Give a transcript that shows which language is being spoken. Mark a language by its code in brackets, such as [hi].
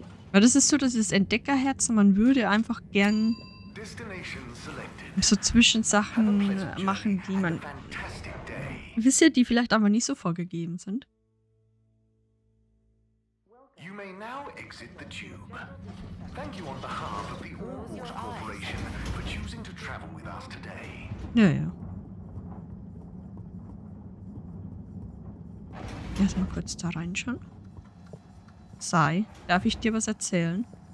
[de] Weil das ist so, dass das Entdeckerherz, man würde einfach gern so Zwischensachen machen, die man... Wisst ihr, die vielleicht einfach nicht so vorgegeben sind? [en] now exit the tube. Thank you on behalf of the All-Water Corporation for choosing to travel with us today. [de] Ja, ja. Lass mal kurz da reinschauen. Sai, darf ich dir was erzählen?